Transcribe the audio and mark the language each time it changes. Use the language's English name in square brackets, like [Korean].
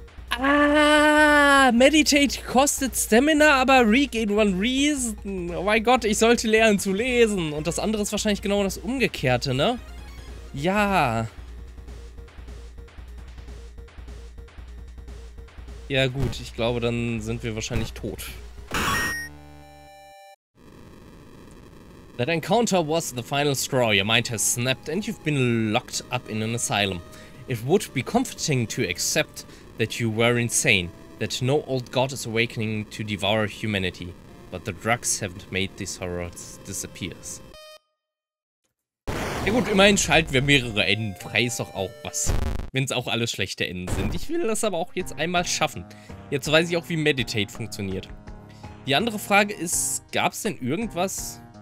[German] Ah, Meditate kostet Stamina, aber [English] Regain One Reason. [German] Oh mein Gott, ich sollte lernen zu lesen. Und das andere ist wahrscheinlich genau das Umgekehrte, ne? Ja. Ja gut, ich glaube, dann sind wir wahrscheinlich tot. [English] That encounter was the final straw, your mind has snapped, and you've been locked up in an asylum. It would be comforting to accept that you were insane, that no old god is awakening to devour humanity, but the drugs haven't made these horrors disappear. [German] Ja gut, immerhin schalten wir mehrere Enden frei, ist doch auch was. Wenn es auch alle schlechte Enden sind. Ich will das aber auch jetzt einmal schaffen. Jetzt weiß ich auch, wie Meditate funktioniert. Die andere Frage ist, gab es denn irgendwas?